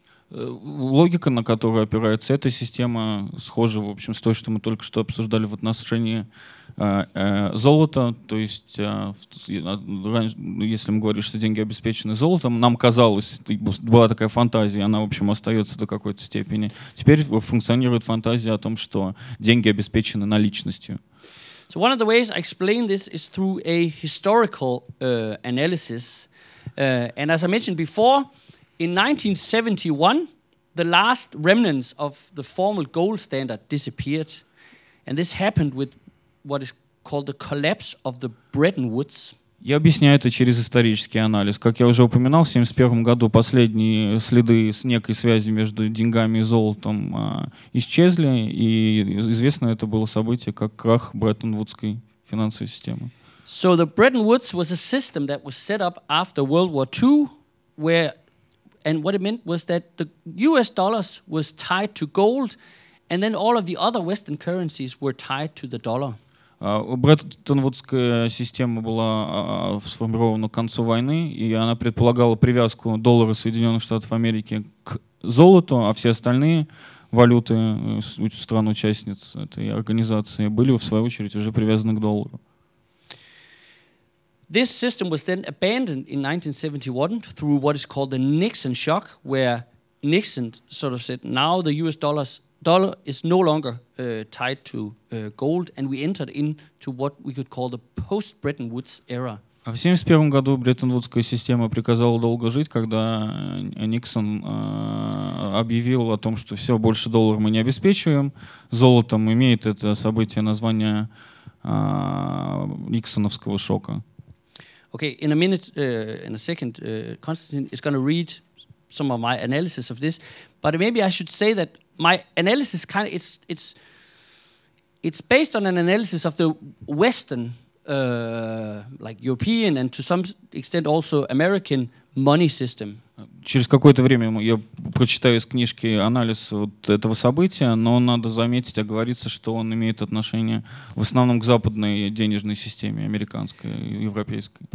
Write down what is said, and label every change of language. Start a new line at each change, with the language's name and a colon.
Russian: Логика, на которую опирается эта система, схожа, в общем, с той, что мы только что обсуждали в отношении золота. То есть, если мы говорим, что деньги обеспечены золотом, нам казалось, была такая фантазия, она, в общем, остается до какой-то степени. Теперь функционирует фантазия о том, что деньги обеспечены наличностью.
English: So one of the ways I explain this is through a historical analysis. And as I mentioned before, in 1971, the last remnants of the formal gold standard disappeared. And this happened with what is called the collapse of the Bretton Woods.
Russian: Я объясняю это через исторический анализ. Как я уже упоминал, в 71 году последние следы с некой связи между деньгами и золотом исчезли, и известно это было событие как крах Бреттон-Вудской финансовой системы.
English: So the Bretton Woods was a system that was set up after World War II, where and what it meant was that the US dollars was tied to gold, and then all of the other Western currencies were tied to the dollar.
Russian: Бреттон-Вудская система была сформирована к концу войны, и она предполагала привязку доллара Соединенных Штатов Америки к золоту, а все остальные валюты стран-участниц этой организации были, в свою очередь, уже привязаны к доллару.
English: This system was then abandoned in 1971 through what is called the Nixon shock, where Nixon sort of said, now the US dollar is no longer tied to gold, and we entered into what we could call the post-Bretton Woods era.
Russian: В 71 году Бреттон-Вудская система приказала долго жить, когда Никсон объявил о том, что все, больше доллара мы не обеспечиваем. Золотом имеет это событие название Никсоновского шока.
English: Okay, in a minute, in a second, Constantine is going to read some of my analysis of this, but maybe I should say that my analysis kind of it's based on an analysis of the Western, like European and to some extent also American money system.
Russian: Через какое-то время я прочитаю из книжки анализ вот этого события, но надо заметить, оговориться, что он имеет отношение в основном к западной денежной системе, американской, европейской.